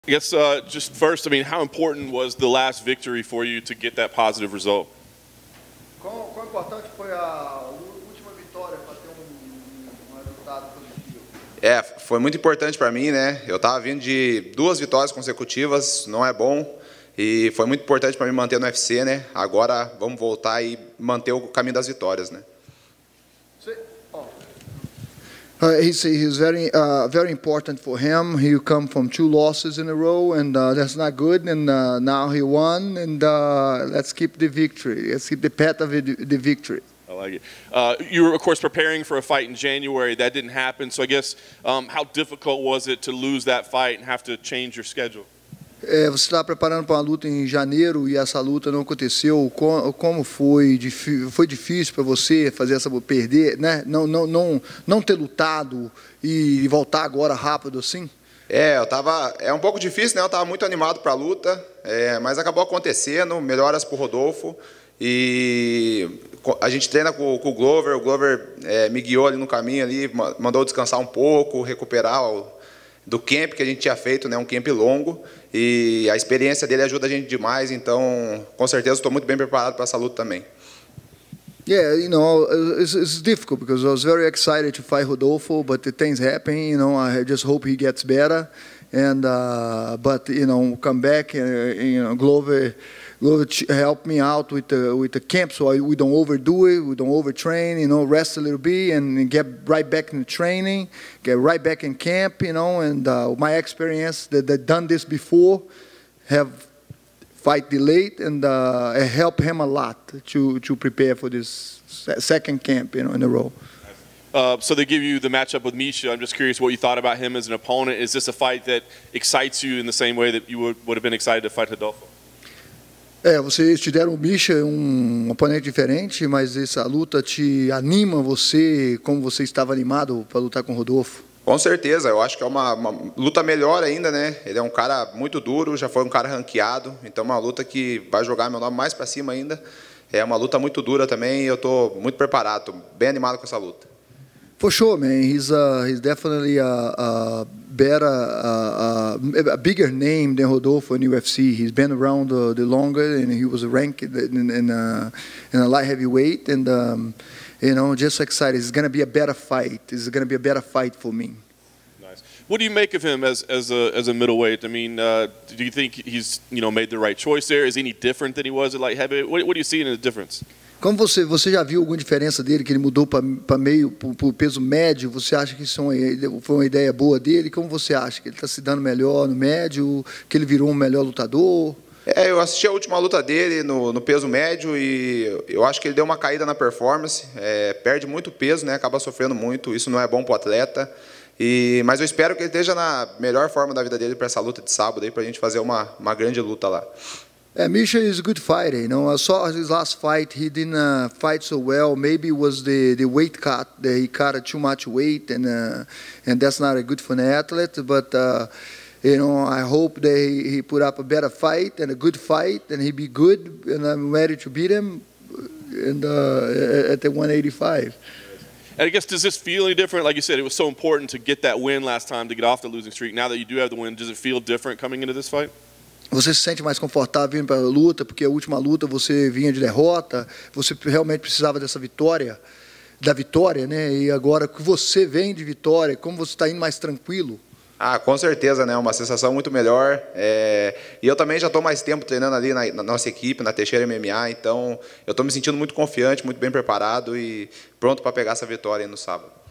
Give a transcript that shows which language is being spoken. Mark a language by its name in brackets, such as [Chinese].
[English] I guess just first, I mean, how important was the last victory for you to get that positive result? [Portuguese] Quão importante foi a última vitória para ter resultado positivo? É, foi muito importante para mim, né? Eu estava vindo de duas vitórias consecutivas, não é bom. E foi muito importante para mim manter no UFC, né? Agora vamos voltar e manter o caminho das vitórias, né? [English] He's very very important for him. He come from two losses in a row, and that's not good. And now he won, and let's keep the victory. Let's keep the path of the victory. I like it. You were, of course, preparing for a fight in January. That didn't happen. So I guess, how difficult was it to lose that fight and have to change your schedule? [Portuguese] Você está preparando para uma luta em janeiro e essa luta não aconteceu. Como foi? Foi difícil para você fazer essa perder, né? Não ter lutado e voltar agora rápido assim? É um pouco difícil, né? Eu estava muito animado para a luta, mas acabou acontecendo. Melhoras para o Rodolfo. E a gente treina com o Glover. O Glover me guiou ali no caminho, ali, mandou descansar um pouco, recuperar do camp que a gente tinha feito, né? Um camp longo. E a experiência dele ajuda a gente demais, então com certeza estou muito bem preparado para essa luta também. [English] Yeah, you know, it's difficult because I was very excited to fight Rodolfo, but the things happen, you know, I just hope he gets better. And but you know, come back, you know, Glover helped me out with the camp, so we don't overdo it, we don't overtrain, you know, rest a little bit and get right back in the training, get right back in camp, you know, and my experience that they've done this before, have fight delayed, and it helped him a lot to prepare for this second camp, you know, in a row. So they give you the matchup with Misha. I'm just curious what you thought about him as an opponent. Is this a fight that excites you in the same way that you would have been excited to fight Rodolfo? [Portuguese] Vocês te deram o Misha, um oponente diferente, mas essa luta te anima, você, como você estava animado para lutar com o Rodolfo? Com certeza, eu acho que é uma luta melhor ainda, né? Ele é um cara muito duro, já foi um cara ranqueado, então é uma luta que vai jogar meu nome mais para cima ainda. É uma luta muito dura também e eu estou muito preparado, bem animado com essa luta. [English] For sure, man. He's definitely a better, a bigger name than Rodolfo in UFC. He's been around the longer, and he was ranked in a light heavyweight. And you know, just excited. It's gonna be a better fight. It's gonna be a better fight for me. Nice. What do you make of him as a middleweight? I mean, do you think he's, you know, made the right choice there? Is he any different than he was at light heavyweight? What do you see in the difference? [Portuguese] Como você já viu alguma diferença dele, que ele mudou para meio, para o peso médio? Você acha que isso foi uma ideia boa dele? Como você acha que ele está se dando melhor no médio, que ele virou um melhor lutador? Eu assisti a última luta dele no peso médio e eu acho que ele deu uma caída na performance. Perde muito peso, né? Acaba sofrendo muito. Isso não é bom para o atleta. Mas eu espero que ele esteja na melhor forma da vida dele para essa luta de sábado, para a gente fazer uma grande luta lá. [English] Misha is a good fighter, you know. I saw his last fight, he didn't fight so well. Maybe it was the weight cut, that he cut too much weight, and that's not good for the athlete. But, you know, I hope that he put up a better fight and a good fight, and he'd be good, and I'm ready to beat him at the 185. And I guess, does this feel any different? Like you said, it was so important to get that win last time, to get off the losing streak. Now that you do have the win, does it feel different coming into this fight? [Portuguese] Você se sente mais confortável vindo para a luta, porque a última luta você vinha de derrota, você realmente precisava dessa vitória, da vitória, né? E agora que você vem de vitória, como você está indo mais tranquilo? Ah, com certeza, né? Uma sensação muito melhor. E eu também já estou mais tempo treinando ali na nossa equipe, na Teixeira MMA, então eu estou me sentindo muito confiante, muito bem preparado e pronto para pegar essa vitória aí no sábado.